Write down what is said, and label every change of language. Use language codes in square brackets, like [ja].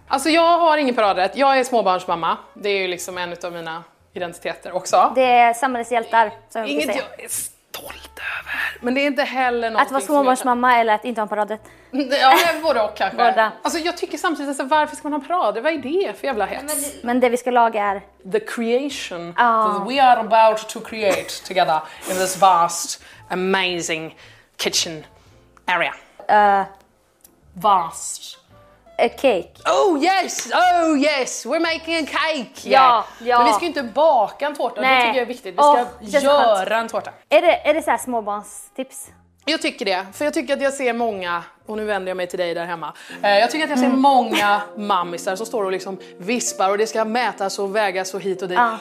[sv] Alltså jag har ingen paradrätt. Jag är småbarnsmamma. Det är ju liksom en av mina... identiteter också. Det är samhällets hjältar. Inget jag är stolt över. Men det är inte heller något. Att vara småbarnsmamma eller att inte ha en paradrätt. Ja, både och kanske. Både. Alltså, jag tycker samtidigt, alltså, varför ska man ha paradrätt? Vad är det för jävla hets? Men det vi ska laga är... [en] The creation. Oh. We are about to create together in this vast, amazing kitchen area. Vast. A cake. Oh yes, we're making a cake. [sv] Ja, ja. Men vi ska ju inte baka en tårta. Nej. Det tycker jag är viktigt. Vi ska göra en tårta. Är det så här småbarnstips? Jag tycker det. För jag tycker att jag ser många, och nu vänder jag mig till dig där hemma. Jag tycker att jag ser många mammisar som står och liksom vispar och det ska mätas och vägas och hit och dit.